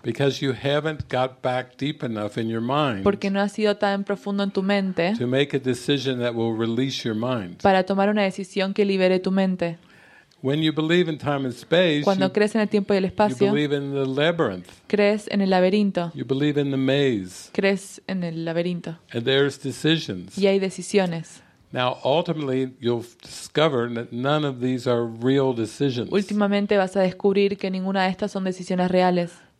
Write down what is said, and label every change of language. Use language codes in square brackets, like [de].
[en] Because you haven't got back deep enough in your mind. [es] Porque no has sido tan profundo en tu mente. [en] To make a decision that will release your mind. [es] Para tomar una decisión que libere tu mente. [en] When you believe in time and space, [es] cuando [en] you, [es] crees en el tiempo y el espacio, [en] you believe in the labyrinth. [es] Crees en el laberinto. [en] You believe in the maze. [es] Crees en el laberinto. [en] And there's decisions. [es] Y hay decisiones. [en] Now, ultimately, you'll discover that none of these are real decisions. [es] Últimamente vas a descubrir que ninguna de estas son decisiones reales.